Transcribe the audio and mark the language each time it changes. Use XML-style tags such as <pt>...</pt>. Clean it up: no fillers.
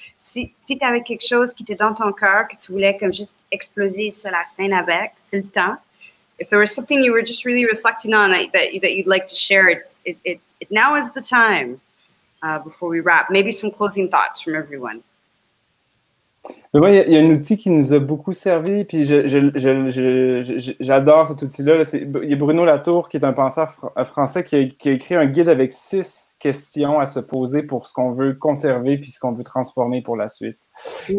<fr>Si tu avais quelque chose qui était dans ton cœur, que tu voulais comme juste exploser sur la scène avec, c'est le temps.</fr> <en>If there was something you were just really reflecting on that you'd like to share, it now is the time before we wrap. Maybe some closing thoughts from everyone.</en> <fr>Mais moi, il y a un outil qui nous a beaucoup servi, puis j'adore cet outil-là. Il y a Bruno Latour, qui est un penseur français, qui a écrit un guide avec 6 questions à se poser pour ce qu'on veut conserver puis ce qu'on veut transformer pour la suite. Mmh.</fr>